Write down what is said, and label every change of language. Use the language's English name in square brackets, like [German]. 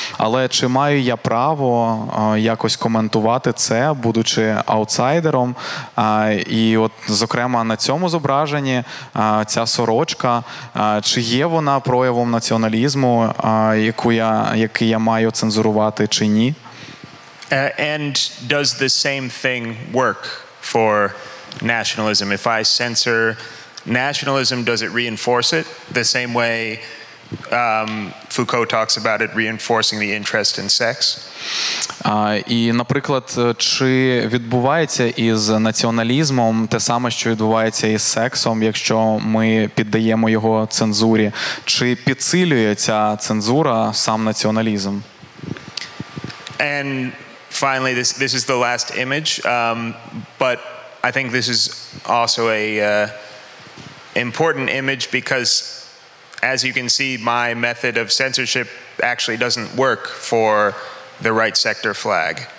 [Ukrainian] Але чи маю я право якось коментувати це, будучи аутсайдером? І от, зокрема, на цьому зображенні ця сорочка, чи є вона проявом націоналізму, який я маю цензурувати, чи ні? [English] And does the same thing work for nationalism? If I censor nationalism, does it reinforce it the same way Foucault talks about it reinforcing the interest in sex. [Ukrainian] І, наприклад, чи відбувається із націоналізмом те саме, що відбувається із сексом, якщо ми піддаємо його цензурі? Чи підсилює ця цензура сам націоналізм? [English] And finally, this is the last image, but I think this is also a important image because as you can see, my method of censorship actually doesn't work for the right sector flag.